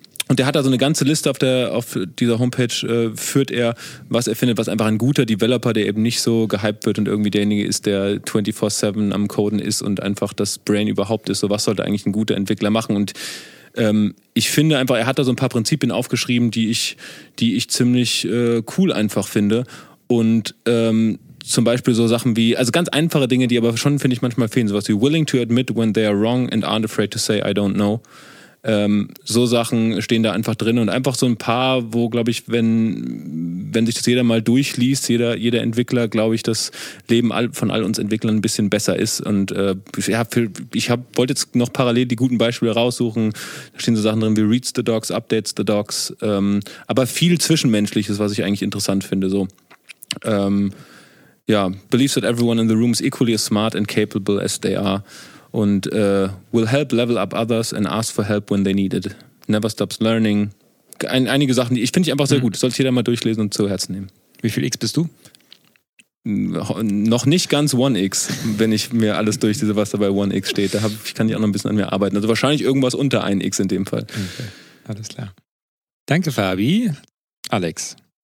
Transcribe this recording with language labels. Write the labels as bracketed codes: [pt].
[de] Und der hat da so eine ganze Liste auf dieser Homepage, führt er, was er findet, was einfach ein guter Developer, der eben nicht so gehypt wird und irgendwie derjenige ist, der 24/7 am Coden ist und einfach das Brain überhaupt ist. So, was sollte eigentlich ein guter Entwickler machen? Und ich finde einfach, er hat da so ein paar Prinzipien aufgeschrieben, die ich ziemlich cool einfach finde. Und zum Beispiel so Sachen wie, also ganz einfache Dinge, die aber schon, finde ich, manchmal fehlen. Sowas wie [en] willing to admit when they are wrong and aren't afraid to say I don't know. [de] So Sachen stehen da einfach drin. Und einfach so ein paar, wo, glaube ich, wenn sich das jeder mal durchliest, jeder Entwickler, glaube ich, das Leben von all uns Entwicklern ein bisschen besser ist. Und wollte jetzt noch parallel die guten Beispiele raussuchen. Da stehen so Sachen drin wie [en] Reads the Docs, Updates the Docs. [de] Aber viel Zwischenmenschliches, was ich eigentlich interessant finde. So. [en] ja, believes that everyone in the room is equally as smart and capable as they are and will help level up others and ask for help when they need it. Never stops learning. [de] Einige Sachen, die ich finde ich einfach sehr gut. Soll ich jeder mal durchlesen und zu Herzen nehmen. Wie viel X bist du? Noch nicht ganz 1X, wenn ich mir alles durchlese, was da bei 1X steht. Ich kann ja auch noch ein bisschen an mir arbeiten. Also wahrscheinlich irgendwas unter 1X in dem Fall. Okay. Alles klar. Danke, Fabi. Alex.